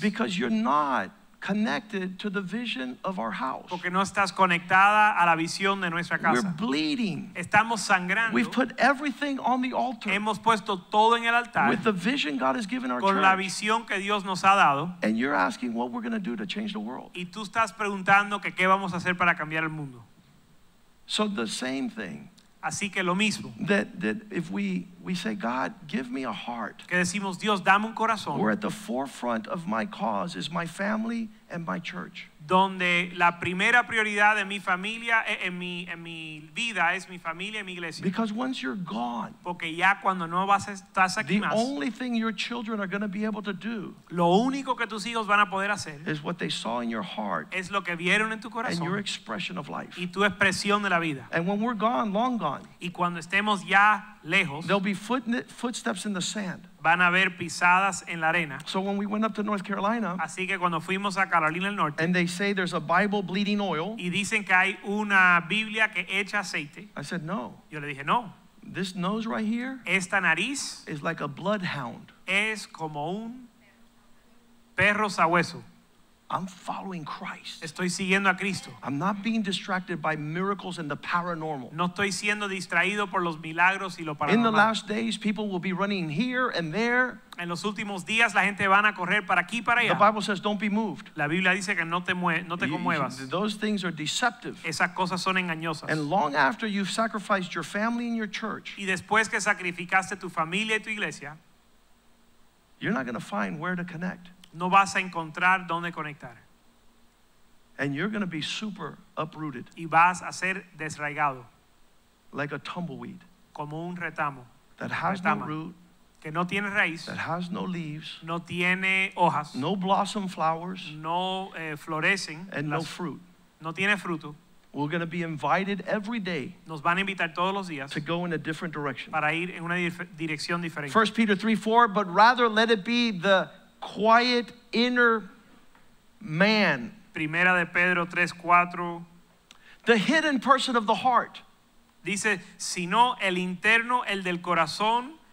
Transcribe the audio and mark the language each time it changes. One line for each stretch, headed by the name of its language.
English: Because you're not connected to the vision of our house.
Spanish: Porque no estás conectada a la visión de nuestra casa.
English: We're bleeding.
Spanish: Estamos sangrando.
English: We've put everything on the altar.
Spanish: Hemos puesto todo en el altar.
English: With the vision God has given our
Spanish: con
English: church.
Spanish: La visión que Dios nos ha dado.
English: And you're asking what we're going to do to change the world.
Spanish: Y tú estás preguntando que qué vamos a hacer para cambiar el mundo.
English: So the same thing.
Spanish: Así que lo mismo.
English: That if we say, God, give me a heart.
Spanish: Que decimos, Dios, dame un corazón.
English: We're at the forefront of my cause is my family and my church.
Spanish: Donde la primera prioridad de mi familia, en mi vida, es mi familia y mi iglesia.
English: Because once you're gone,
Spanish: porque ya cuando no vas estás aquí más,
English: the only thing your children are going to be able to do,
Spanish: lo único que tus hijos van a poder hacer,
English: is what they saw in your heart,
Spanish: es lo que vieron en tu corazón,
English: and your expression of life,
Spanish: y tu expresión de la vida.
English: And when we're gone, long gone,
Spanish: y cuando estemos ya lejos,
English: there'll be footsteps in the sand.
Spanish: Van a haber pisadas en la arena.
English: So when we went up to North Carolina,
Spanish: así que cuando fuimos a Carolina del Norte,
English: and they say there's a Bible bleeding oil,
Spanish: y dicen que hay una Biblia que echa aceite,
English: I said no.
Spanish: Yo le dije no.
English: This nose right here,
Spanish: esta nariz,
English: is like a bloodhound.
Spanish: Es como un perro sabueso.
English: I'm following Christ.
Spanish: Estoy siguiendo a Cristo.
English: I'm not being distracted by miracles and the paranormal.
Spanish: No estoy siendo distraído por los milagros y lo paranormal.
English: In the last days, people will be running here and there.
Spanish: En los últimos días, la gente van a correr para aquí para allá.
English: The Bible says, "Don't be moved."
Spanish: La Biblia dice que no te conmuevas.
English: Those things are deceptive.
Spanish: Esas cosas son engañosas.
English: And long after you've sacrificed your family and your church,
Spanish: y después que sacrificaste tu familia y tu iglesia,
English: you're not going to find where to connect.
Spanish: No vas a encontrar dónde conectar.
English: And you're going to be super uprooted.
Spanish: Y vas a ser desraigado.
English: Like a tumbleweed.
Spanish: Como un retamo.
English: That has no root.
Spanish: que no tiene raíz,
English: that has no leaves,
Spanish: no tiene hojas,
English: no blossom flowers,
Spanish: no florecen,
English: and las, no fruit,
Spanish: no tiene fruto.
English: We're going to be invited every day,
Spanish: nos van a invitar todos los días,
English: to go in a different direction,
Spanish: para ir en una dirección diferente.
English: 1 Peter 3:4, but rather let it be the quiet inner man.
Spanish: Primera de Pedro 3:4,
English: the hidden person of the heart.
Spanish: Dice, sino el interno, el del corazón.